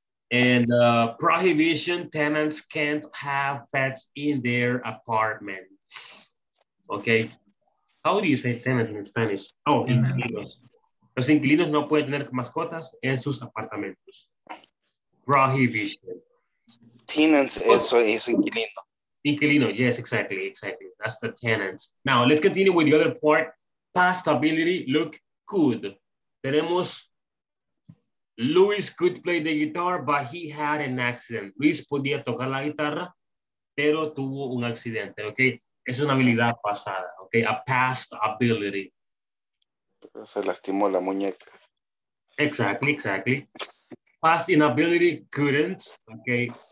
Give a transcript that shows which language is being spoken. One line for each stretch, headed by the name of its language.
English: And prohibition, tenants can't have pets in their apartments. Okay. How do you say tenants in Spanish? Oh, inquilinos.
Spanish: Los inquilinos no pueden tener mascotas en sus apartamentos. Prohibition. Tenants, eso es inquilino.
English: Inquilino, yes, exactly, exactly. That's the tenants. Now, let's continue with the other part. Past ability, look good.
Spanish: Tenemos,
English: Luis could play the guitar, but he had an accident.
Spanish: Luis podía tocar la guitarra, pero tuvo un accidente, okay? Es una habilidad pasada, okay?
English: A past ability.
Spanish: Se lastimó la muñeca.
English: Exactly, exactly. Past inability, couldn't, okay?